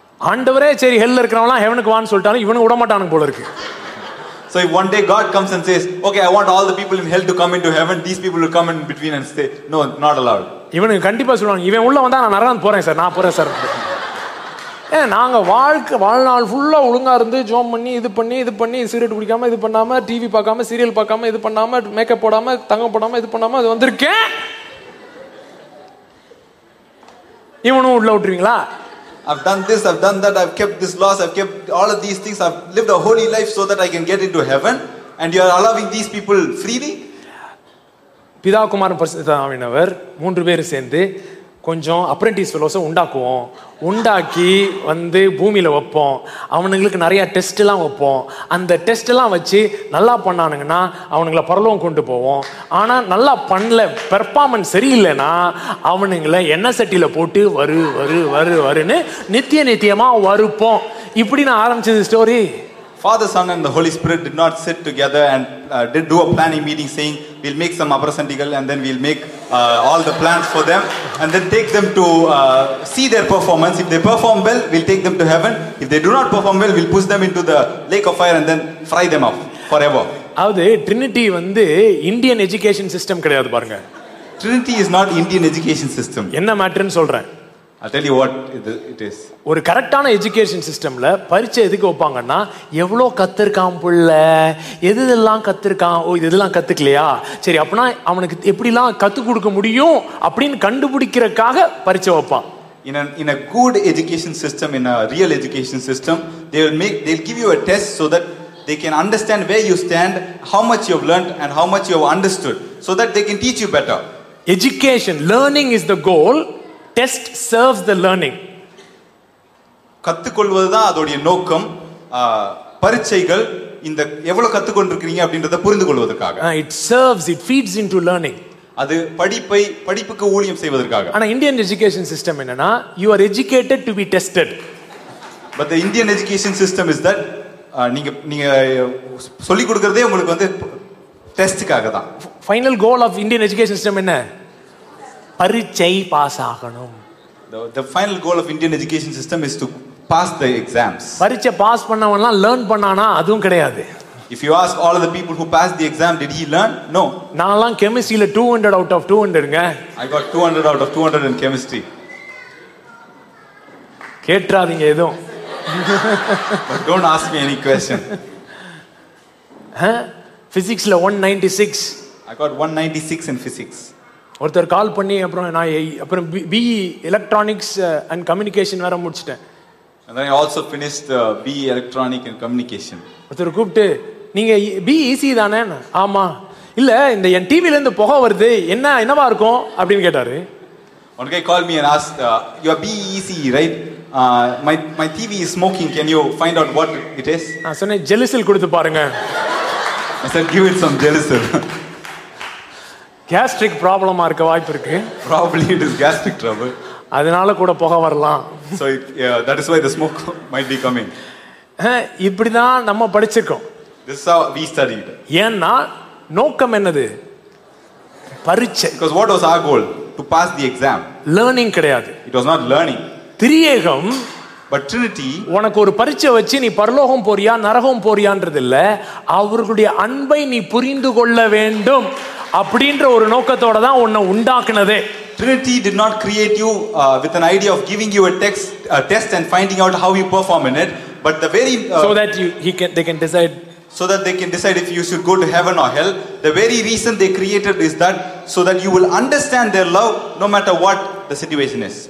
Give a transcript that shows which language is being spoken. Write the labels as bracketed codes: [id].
[ta] ஆண்டவரே சரி ஹெல்ல இருக்கிறவங்க ஹெவனுக்கு வான் சொல்லிட்டாலும் இவனு விட மாட்டானு போல இருக்கு. [en] So if one day God comes and says, okay, I want all the people in hell to come into heaven, these people will come in between and say, no, not allowed. [ta] இவனுக்கு கண்டிப்பா சொல்றாங்க இவன் உள்ள வந்தா நான் நரகம் போறேன் sir, நான் போறேன் சார். நாங்க வாழ்க்கை வாழ்நாள் ஃபுல்லா ஒழுங்கா இருந்து ஜோம் பண்ணி இது பண்ணி இது பண்ணி சிகரெட் குடிக்காம இது பண்ணாம டிவி பார்க்காம சீரியல் பார்க்காம இது பண்ணாம மேக்கப் போடாம தங்கம் போடாம இது பண்ணாம அது வந்திருக்கேன், இவனும் உள்ள விட்டுருவீங்களா? [en] I've done this, I've done that, I've kept this laws, I've kept all of these things, I've lived a holy life so that I can get into heaven, and you are allowing these people freely? [ta] பிதா குமாரன் பரிசுத்தாவினவர் மூன்று பேர் சேர்ந்து கொஞ்சம் apprentice ஃபெலோஸை உண்டாக்குவோம், உண்டாக்கி வந்து பூமியில் வைப்போம், அவனுங்களுக்கு நிறையா டெஸ்ட்டெலாம் வைப்போம், அந்த டெஸ்ட்டெல்லாம் வச்சு நல்லா பண்ணானுங்கன்னா அவனுங்களை பரலோகம் கொண்டு போவோம், ஆனால் நல்லா பண்ணல பெர்ஃபார்மன்ஸ் சரியில்லைனா அவனுங்களை எண்ணெய் சட்டியில் போட்டு வரு வரு வரு வருன்னு நித்திய நித்தியமாக வறுப்போம். இப்படி நான் ஆரம்பிச்சது story. [en] Father, Son and the Holy Spirit did not sit together and did do a planning meeting saying we'll make some aprasandigal and then we'll make all the plans for them and then take them to see their performance. If they perform well, we'll take them to heaven. If they do not perform well, we'll push them into the lake of fire and then fry them up forever. [ta] அது Trinity வந்து Indian education system கிடையாது பாருங்க. [en] Trinity is not Indian education system. [ta] என்ன மேட்டர்னு சொல்றேன். [en] I'll tell you what it is. [ta] ஒரு கரெக்டான education சிஸ்டம்ல பரிட்சை எதுக்கு வைப்பாங்கன்னா எவ்வளவு கத்துருக்கான் புள்ள, எது எல்லாம் கத்துருக்கான், ஓ இது எல்லாம் கத்துக்கலையா, சரி அப்படின்னா அவனுக்கு எப்படிலாம் கத்து கொடுக்க முடியும் அப்படின்னு கண்டுபிடிக்கிறதுக்காக பரிட்சை வைப்பான். [en] In a good education system, in a real education system, they'll give you a test so that they can understand where you stand, how much you have learned and how much you have understood, so that they can teach you better. Education, learning is the goal. Test serves the learning. [ta] கத்துக்கொள்வது தான் அதோட நோக்கம். பரீட்சைகள் இந்த எவ்வளவு கத்துக்கொண்டிருக்கீங்க அப்படின்றத புரிந்துகொள்வதற்காக. [en] It serves, it feeds into learning. [ta] அது படிப்பை படிப்புக்கு ஊழியம் செய்வதற்காக. [en] ஆனா Indian education system என்னன்னா you are educated to be tested. But the Indian education system is that [ta] நீங்க சொல்லி கொடுக்கிறதே உங்களுக்கு வந்து டெஸ்ட்காக தான். [en] Final goal of Indian education system [ta] என்ன? பரீட்சை பாஸ் ஆகணும். [en] The final goal of Indian education system is to pass the exams. [ta] பரீட்சை pass பண்ணவனா learn பண்ணானா அதுவும் கிடையாது. [en] If you ask all of the people who passed the exam, did he learn? No. [ta] நானெல்லாம் கெமிஸ்ட்ரியில 200 out of 200 ங்க. [en] I got 200 out of 200 in chemistry. [ta] கேட்றாதீங்க ஏதும். [en] But don't ask me any question. [ta] Physicsல 196. [en] I got 196 in physics. [ta] ஒருத்தர் கால் பண்ணி அப்புறம் நான் அப்புறம் BE electronics and communication வேற முடிச்சிட்டேன். [en] And then I also finished BE electronic and communication. [ta] ஒருத்தர் கூப்பிட்டு நீங்க BE ஈஸி தானே? ஆமா. இல்ல இந்த என் டிவில இருந்து புகை வருது என்ன என்னவா இருக்கும் அப்படின்னு கேட்டாரு. [en] One guy called me and asked, you are BE EC right? My TV is smoking, can you find out what it is? [ta] நான் சொன்னேன் ஜெலிசில் கொடுத்து பாருங்க. [en] I said, give it some Gelusil. [ta] Gastric problem ஆ இருக்க வாய்ப்பு இருக்கு. [en] Probably it is gastric trouble. [ta] அதனால கூட போக வரலாம். [en] So yeah, that is why the smoke might be coming. [ta] இப்படி தான் நம்ம படிச்சிருக்கோம். [en] This is how we studied. [ta] ஏன்னா நோக்கம் என்னது? பரீட்சை. [en] Because what was our goal? To pass the exam. [ta] Learning கிடையாது. [en] It was not learning. [ta] திரியேகம். [en] But Trinity. [ta] உனக்கு ஒரு பரீட்சை வச்சு நீ பரலோகம் போறியா நரகம் போறியான்றது இல்ல, அவர்களுடைய அன்பை நீ புரிந்து கொள்ள வேண்டும் அப்படின்ற ஒரு நோக்கத்தோட தான் உன்னை உண்டாக்குனதே. [en] Trinity did not create you with an idea of giving you a test and finding out how you perform in it, but the very so that they can decide if you should go to heaven or hell. The very reason they created is that so that you will understand their love no matter what the situation is.